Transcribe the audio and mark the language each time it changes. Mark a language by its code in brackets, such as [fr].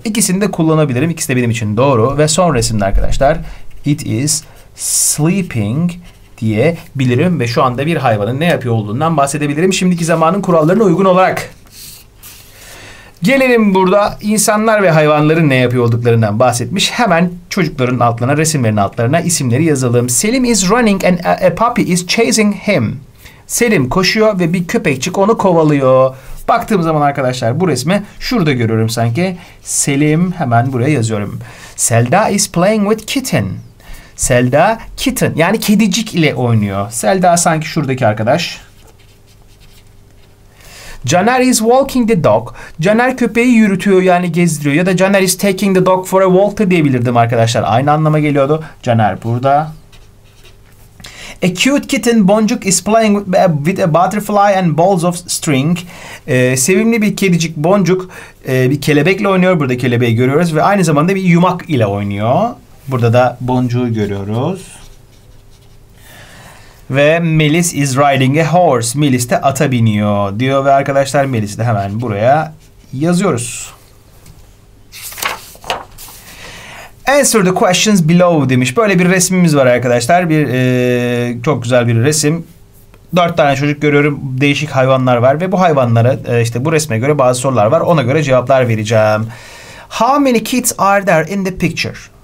[tr] İkisini de kullanabilirim. İkisi de benim için doğru. Ve son resimde arkadaşlar [en] it is sleeping [tr] diyebilirim. Ve şu anda bir hayvanın ne yapıyor olduğundan bahsedebilirim. Şimdiki zamanın kurallarına uygun olarak. Gelelim burada insanlar ve hayvanların ne yapıyor olduklarından bahsetmiş. Hemen çocukların altlarına, resimlerin altlarına isimleri yazalım. [en] Selim is running and a puppy is chasing him. [tr] Selim koşuyor ve bir köpekçik onu kovalıyor. Baktığım zaman arkadaşlar bu resmi şurada görüyorum sanki. Selim, hemen buraya yazıyorum. [en] Selda is playing with kitten. [tr] Selda kitten, yani kedicik ile oynuyor. Selda sanki şuradaki arkadaş. [en] Caner is walking the dog. [tr] Caner köpeği yürütüyor, yani gezdiriyor. Ya da [en] Caner is taking the dog for a walk [tr] da diyebilirdim arkadaşlar. Aynı anlama geliyordu. Caner burada. [en] A cute kitten Boncuk is playing with a butterfly and balls of string. [tr] Sevimli bir kedicik Boncuk bir kelebekle oynuyor. Burada kelebeği görüyoruz ve aynı zamanda bir yumak ile oynuyor. Burada da Boncuğu görüyoruz. Ve [en] Melis is riding a horse. [tr] Melis de ata biniyor diyor ve arkadaşlar Melis'i de hemen buraya yazıyoruz. [en] Answer the questions below [tr] demiş. Böyle bir resmimiz var arkadaşlar. Bir çok güzel bir resim. 4 tane çocuk görüyorum. Değişik hayvanlar var ve bu hayvanlara işte bu resme göre bazı sorular var. Ona göre cevaplar vereceğim. [en] How many kids are there in the picture?